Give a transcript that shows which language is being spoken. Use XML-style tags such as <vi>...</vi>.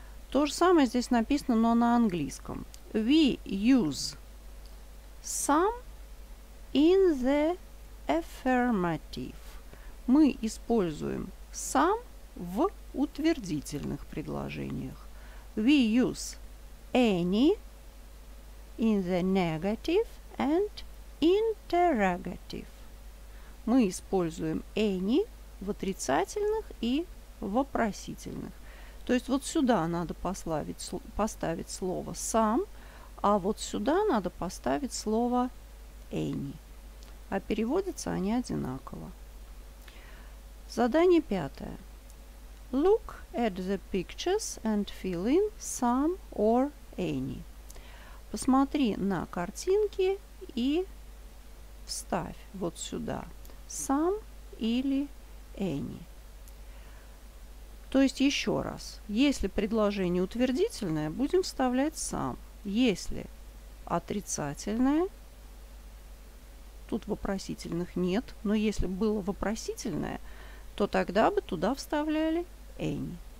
<ru>То же самое здесь написано, но на английском.</ru> <en>We use some in the affirmative.</en> <ru>Мы используем some в утвердительных предложениях.</ru> <en>We use any in the negative and interrogative.</en> <ru>Мы используем any в отрицательных и вопросительных. То есть вот сюда надо поставить слово сам, а вот сюда надо поставить слово any. А переводятся они одинаково. Задание пятое.</ru> <en>Look at the pictures and fill in some or any.</en> <ru>Посмотри на картинки и вставь вот сюда some или any. То есть еще раз, если предложение утвердительное, будем вставлять сам. Если отрицательное, тут вопросительных нет, но если было вопросительное, то тогда бы туда вставляли any.</ru>